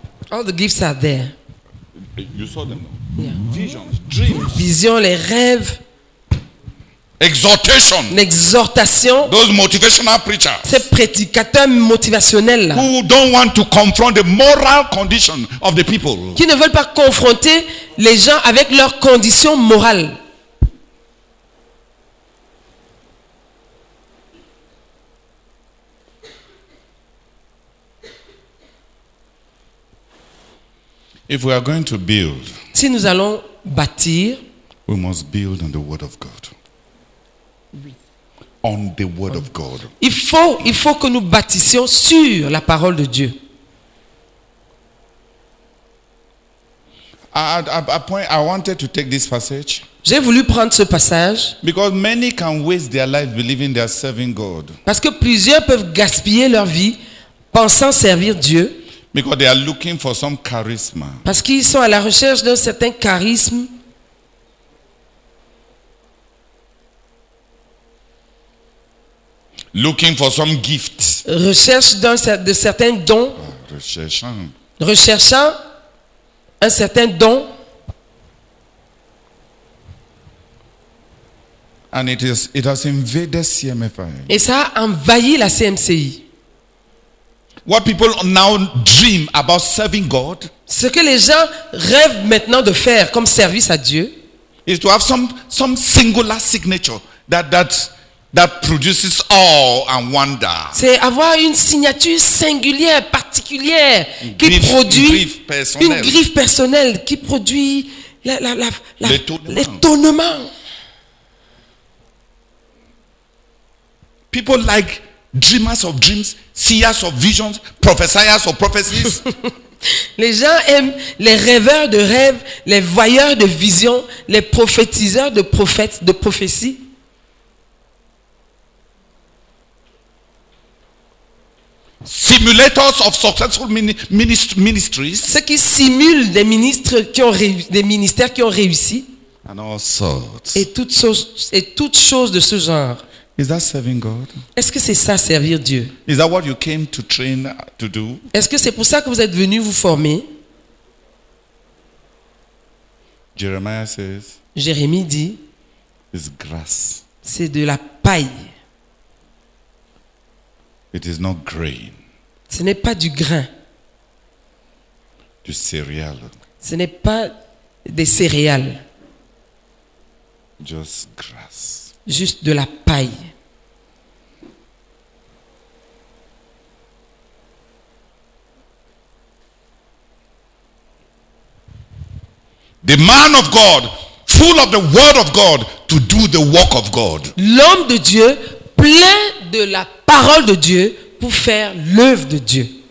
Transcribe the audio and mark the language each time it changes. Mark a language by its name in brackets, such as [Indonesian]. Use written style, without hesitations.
[English] All the gifts are there. You saw them. Yeah. Visions, dreams. [French] Vision, les rêves. [English] Exhortation. [French] L'exhortation. [English] Those motivational preachers. [French] Ces prédicateurs motivationnels là. [English] Who don't want to confront the moral condition of the people. [French] Qui ne veulent pas confronter les gens avec leurs conditions morales. [English] If we are going to build, [French] si nous allons bâtir, [English] we must build on the word of God. On the word of God. [French] Il faut que nous bâtissions sur la parole de Dieu. [English] I wanted to take this passage. [French] J'ai voulu prendre ce passage. [English] Because many can waste their life believing they are serving God. [French] Parce que plusieurs peuvent gaspiller leur vie pensant servir Dieu. [English] Because they are looking for some charisma. [French] Parce qu'ils sont à la recherche d'un certain charisme. [English] Looking for some gifts. [French] Recherche de certains dons. Recherchant un certain don. [English] And it has invaded CMFI. [French] Et ça a envahi la CMCI. [English] What people now dream about serving God? [French] Ce que les gens rêvent maintenant de faire comme service à Dieu. [English] Is to have some singular signature that produces awe and wonder. [French] C'est avoir une signature singulière, particulière, qui une griffe personnelle qui produit l'étonnement. [English] People like dreamers of dreams, seers of visions, prophesiers of prophecies. [French] Les gens aiment les rêveurs de rêves, les voyeurs de visions, les prophétiseurs de prophètes, de prophéties. [English] Simulators of successful ministries. [French] Ceux qui simulent des ministres qui ont des ministères qui ont réussi. [English] And all sorts. [French] Et toutes choses de ce genre. [English] Is that serving God? [French] Est-ce que c'est ça servir Dieu? [English] Is that what you came to train to do? [French] Est-ce que c'est pour ça que vous êtes venu vous former? [English] Jeremiah says. [French] Jérémie dit. [English] It's grass. [French] C'est de la paille. [English] It is not grain. [French] Ce n'est pas du grain. Du céréal. Ce n'est pas des céréales. [English] Just grass. [French] Juste de la paille. [English] The man of God, full of the word of God, to do the work of God. [French] L'homme de Dieu, plein de la parole de Dieu, pour faire l'œuvre de Dieu.